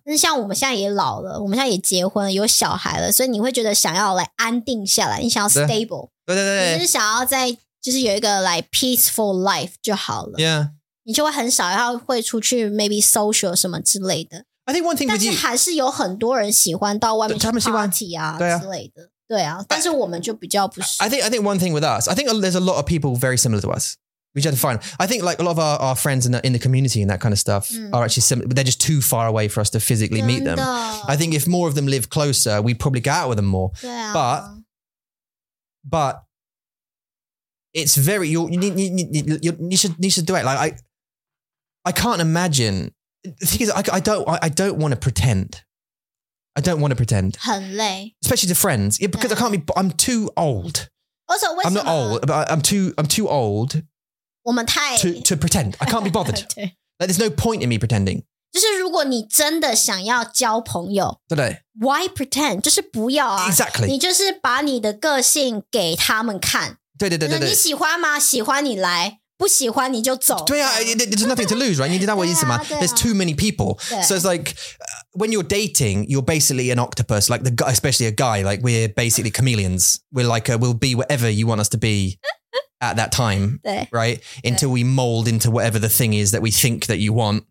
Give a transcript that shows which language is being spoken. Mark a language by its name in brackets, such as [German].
[Chinese] 但是像我们现在也老了，我们现在也结婚了，有小孩了，所以你会觉得想要来安定下来，你想要 stable。对对对，你是想要在就是有一个 [English] like peaceful life [Chinese] 就好了。 [English] Yeah， [Chinese] 你就会很少要会出去 [English] maybe social [Chinese] 什么之类的。 [English] I think one thing， [Chinese] 但是还是有很多人喜欢到外面去 party 啊之类的。对啊，但是我们就比较不是。 [English] I think one thing with us， I think there's a lot of people very similar to us， which is fine. I think like a lot of our friends in the community and that kind of stuff are actually similar， but they're just too far away for us to physically meet them. I think if more of them live closer， we'd probably go out with them more. [Chinese] 对啊， [English] But it's very, you should do it. Like, I can't imagine. The thing is, I don't want to pretend. I don't want to pretend. [Chinese] 很累. [English] Especially to friends. Yeah, because I can't be, I'm too old. Also, [Chinese] 为什么? [English] I'm not old, but I'm too old. [Chinese] 我们太... [English] To pretend. I can't be bothered. [Chinese] 对。 [English] Like, there's no point in me pretending. [Chinese] 就是如果你真的想要交朋友，对对， [English] Why pretend？ [Chinese] 就是不要啊 [English] ，Exactly。 [Chinese] 你就是把你的个性给他们看，对对对对对。你喜欢吗？喜欢你来，不喜欢你就走。对啊 [English] ，There's nothing to lose, right？ [Chinese] 你知道我意思吗 [English] ？There's too many people, so it's like when you're dating, you're basically an octopus, like the guy, especially a guy, like we're basically chameleons. We're like, we'll be whatever you want us to be at that time, right? Until we mold into whatever the thing is that we think that you want.